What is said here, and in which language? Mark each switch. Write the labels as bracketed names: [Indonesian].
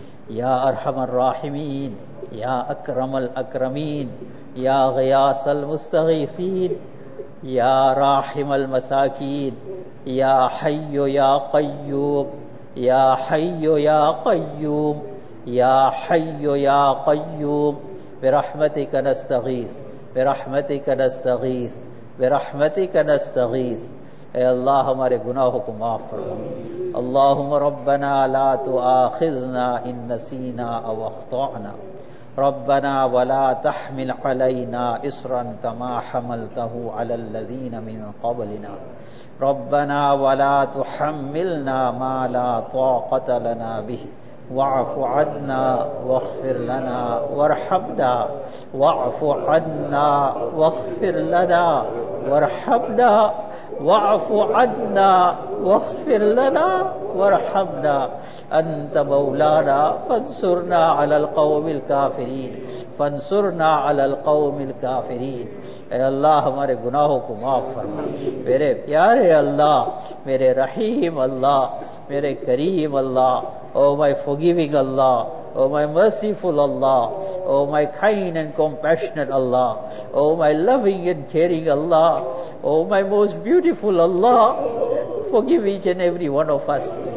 [Arabic] يا أرحم الراحمين يا أكرم الأكرمين يا غياث المستغيثين يا راحم المساكين يا حي يا قيوم يا حي يا قيوم يا حي يا قيوم برحمتك نستغيث برحمتك نستغيث برحمتك نستغيث. [Urdu] اے اللہ ہمارے گناہوں کو معاف فرما. [Arabic] اللہم ربنا لا تؤاخذنا ان نسینا او اخطأنا. ربنا ولا تحمل علينا اصرا كما حملته على الذين من قبلنا. ربنا ولا تحملنا ما لا طاقة لنا به. واعف عنا واغفر لنا وارحمنا. واعف عنا واغفر لنا وارحمنا. واعف عنا واغفر لنا وارحمنا. أنت مولانا فانصرنا على القوم الكافرين. فانصرنا على القوم الكافرين. [Urdu] اے اللہ ہمارے گناہوں کو معاف فرما. میرے پیارے اللہ, میرے رحیم اللہ, میرے کریم اللہ, [English] O my forgiving اللہ, O my merciful اللہ, O my kind and compassionate اللہ, O my loving and caring اللہ, O my most beautiful اللہ, forgive each and every one of us.